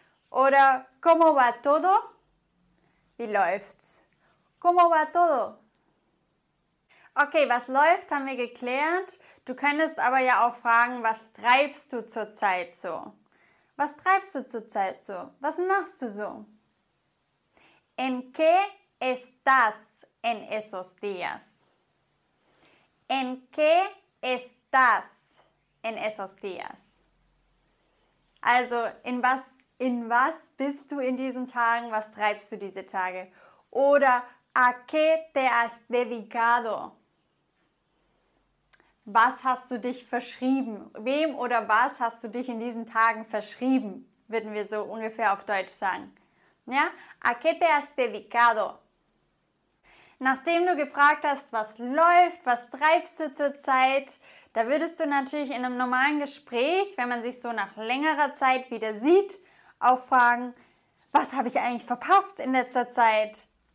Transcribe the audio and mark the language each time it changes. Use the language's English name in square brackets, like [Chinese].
[German] Oder [Spanish] ¿Cómo va todo? [German] Wie läuft's? [Spanish] ¿Cómo va todo? [German] Okay, was läuft, haben wir geklärt. Du könntest aber ja auch fragen, was treibst du zurzeit so? Was treibst du zurzeit so? Was machst du so? [Spanish] ¿En qué estás en esos días? ¿En qué estás en esos días? [German] Also, in was bist du in diesen Tagen? Was treibst du diese Tage? [Spanish] Oder ¿a qué te has dedicado? [German] Was hast du dich verschrieben? Wem oder was hast du dich in diesen Tagen verschrieben? Würden wir so ungefähr auf Deutsch sagen. Ja? [Spanish] ¿A qué te has dedicado? [German] Nachdem du gefragt hast, was läuft, was treibst du zurzeit, da würdest du natürlich in einem normalen Gespräch, wenn man sich so nach längerer Zeit wieder sieht, auch fragen, was habe ich eigentlich verpasst in letzter Zeit?